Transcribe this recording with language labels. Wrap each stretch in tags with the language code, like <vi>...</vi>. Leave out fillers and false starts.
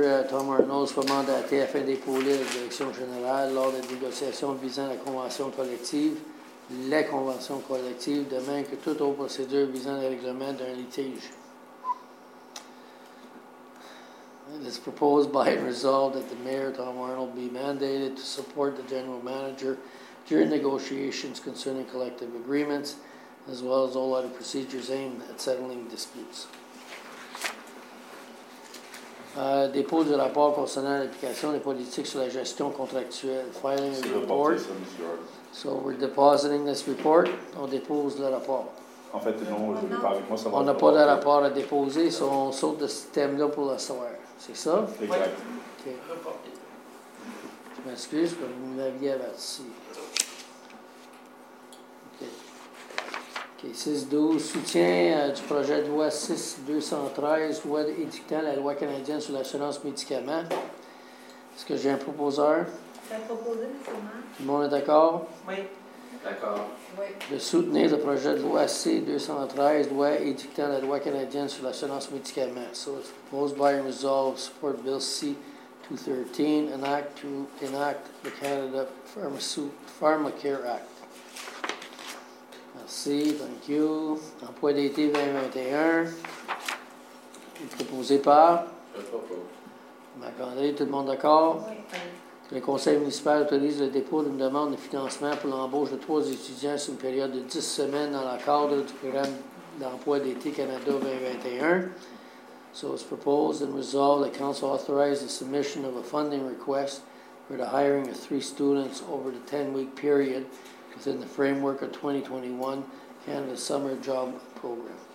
<fr>Tom Arnold, soit mandaté afin d'épauler la direction générale lors des négociations visant la convention collective, les conventions collectives, de même que toute autre procédure visant le règlement d'un litige.</fr> <en>It is proposed by and resolved that the mayor, Tom Arnold, be mandated to support the general manager during negotiations concerning collective agreements, as well as all other procedures aimed at settling disputes.</en> <fr>Dépôt du rapport concernant l'application des politiques sur la gestion contractuelle.</fr> <en>Filing a report. So we're depositing this report.</en> <fr>On dépose le rapport. En fait, non, je ne veux pas avec moi savoir. On n'a pas de rapport à déposer, so on saute de ce thème-là pour le soir. C'est ça? Exact. Okay. Je m'excuse, mais vous m'aviez averti. Okay, 6-12, soutien du projet de loi 6-213, loi édictant la loi canadienne sur l'assurance médicaments. Est-ce que j'ai un proposeur? C'est proposé, monsieur. Tout le monde est d'accord? Oui. D'accord. Oui. De soutenir le projet de loi C-213, loi édictant la loi canadienne sur l'assurance médicaments.</fr> <en>So, it's proposed by and resolved support bill C-213, an act to enact the Canada Pharmacare Act.</en> <fr>Merci,</fr> <en>thank you.</en> <fr>Emploi d'été 2021. Proposé par? Marc André, tout le monde d'accord? Oui. Le conseil municipal autorise le dépôt d'une demande de financement pour l'embauche de 3 étudiants sur une période de 10 semaines dans le cadre du programme d'emploi d'été Canada 2021.</fr> <en>So it's proposed and resolved the council authorize the submission of a funding request for the hiring of 3 students over the 10-week period within the framework of 2021 Canada Summer Job Program.</en>